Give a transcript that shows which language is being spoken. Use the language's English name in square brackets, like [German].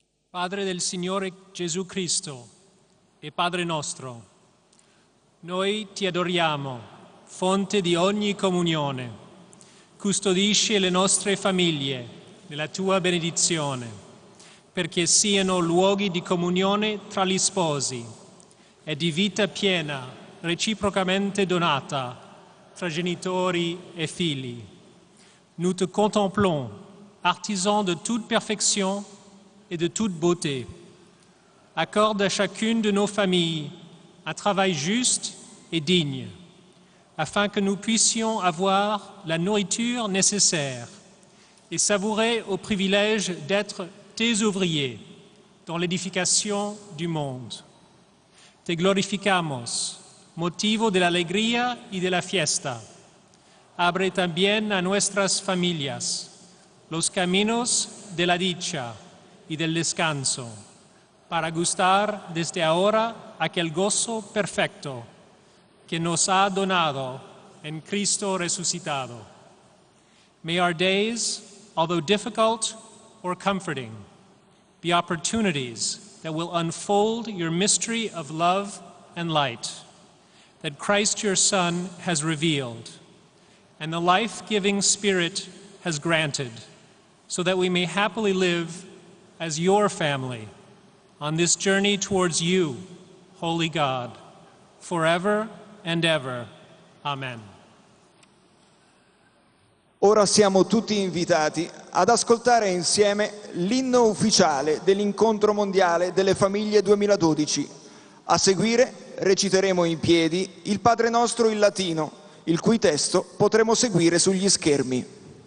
[Italian] Padre del Signore Gesù Cristo e Padre nostro, noi ti adoriamo, fonte di ogni comunione, custodisci le nostre famiglie nella tua benedizione, perché siano luoghi di comunione tra gli sposi e di vita piena reciprocamente donata tra genitori e figli. [French] Nous te contemplons, artisan de toute perfection et de toute beauté. Accorde à chacune de nos familles un travail juste et digne, afin que nous puissions avoir la nourriture nécessaire et savourer au privilège d'être tes ouvriers dans l'édification du monde. [Spanish] Te glorificamos, motivo de la alegría y de la fiesta. Abre también a nuestras familias los caminos de la dicha y del descanso. para gustar desde ahora aquel gozo perfecto que nos ha donado en Cristo resucitado. [English] May our days, although difficult or comforting, be opportunities that will unfold your mystery of love and light that Christ your Son has revealed and the life-giving Spirit has granted, so that we may happily live as your family on this journey towards you, Holy God, forever and ever. Amen. [Italian] Ora siamo tutti invitati ad ascoltare insieme l'inno ufficiale dell'Incontro Mondiale delle Famiglie 2012. A seguire reciteremo in piedi il Padre Nostro in latino, il cui testo potremo seguire sugli schermi.